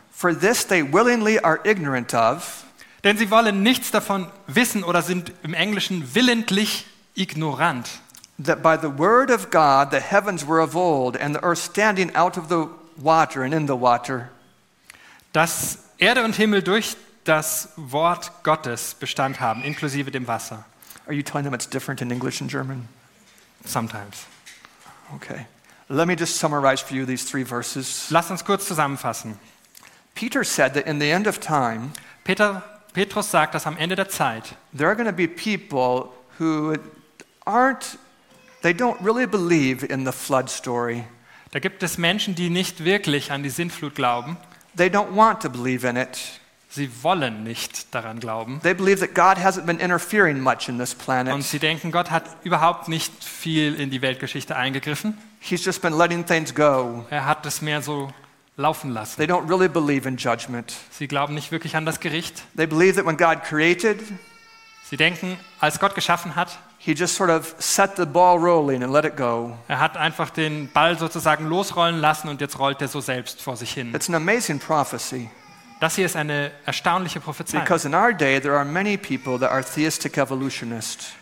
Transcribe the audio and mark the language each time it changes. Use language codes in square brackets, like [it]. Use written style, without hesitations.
[en] For this they willingly are ignorant of. [de] Denn sie wollen nichts davon wissen oder sind im Englischen willentlich ignorant. [en] That by the word of God the heavens were of old and the earth standing out of the water and in the water. [de] Dass Erde und Himmel durch das Wort Gottes Bestand haben, inklusive dem Wasser. [en] Are you telling them it's different in English and German? Sometimes. Okay. Let me just summarize for you these three verses. [de] Lass uns kurz zusammenfassen. [en] Peter said that in the end of time, [de] Petrus sagt, dass am Ende der Zeit, [en] there are going to be people who aren't, they don't really believe in the flood story. [de] Da gibt es Menschen, die nicht wirklich an die Sintflut glauben. [en] They don't want to believe in it. [de] Sie wollen nicht daran glauben. [en] They believe that God hasn't been interfering much in this planet. [de] Und sie denken, Gott hat überhaupt nicht viel in die Weltgeschichte eingegriffen. [en] He's just been letting things go. [de] Er hat es mehr so laufen lassen. [en] They don't really believe in judgment. [de] Sie glauben nicht wirklich an das Gericht. [en] They believe that when God created, [de] sie denken, als Gott geschaffen hat, [en] he just sort of set the ball rolling and let it go. [de] Er hat einfach den Ball sozusagen losrollen lassen und jetzt rollt er so selbst vor sich hin. [en] It's an amazing prophecy. [de] Das hier ist eine erstaunliche Prophezeiung. [en] Because in our day there are many people that are theistic evolutionists.